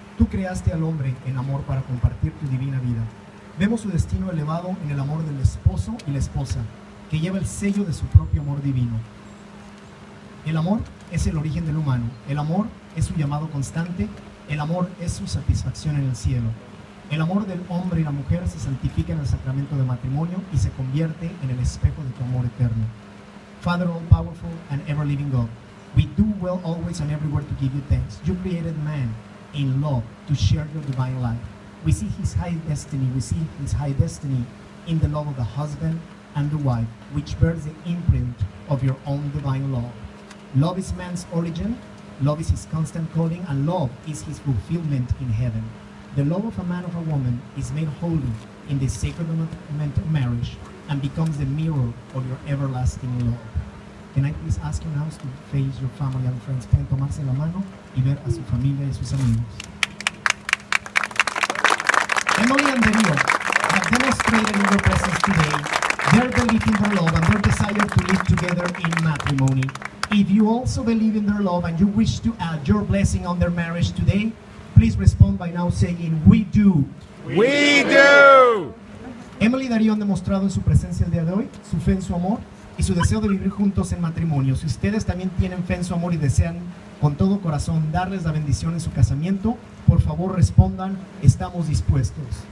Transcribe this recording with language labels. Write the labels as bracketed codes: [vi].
[es] Tú creaste al hombre en amor para compartir tu divina vida. Vemos su destino elevado en el amor del esposo y la esposa, que lleva el sello de su propio amor divino. El amor es el origen del humano. El amor es su llamado constante. El amor es su satisfacción en el cielo. El amor del hombre y la mujer se santifica en el sacramento de matrimonio y se convierte en el espejo de tu amor eterno. [en] Father all powerful and ever living God, we do well always and everywhere to give you thanks. You created man in love to share your divine life. We see his high destiny, we see his high destiny in the love of the husband and the wife, which bears the imprint of your own divine love. Love is man's origin, love is his constant calling, and love is his fulfillment in heaven. The love of a man or a woman is made holy in the sacrament of marriage and becomes the mirror of your everlasting love. Can I please ask you now to face your family and friends? [es] Pueden tomarse la mano y ver a su familia y a sus amigos. [en] Emily and Danilo have demonstrated in your presence today their belief in their love and their desire to live together in matrimony. If you also believe in their love and you wish to add your blessing on their marriage today, please respond by now saying, we do. We do. [es] Emily y Darío han demostrado en su presencia el día de hoy su fe en su amor y su deseo de vivir juntos en matrimonio. Si ustedes también tienen fe en su amor y desean con todo corazón darles la bendición en su casamiento, por favor respondan, estamos dispuestos.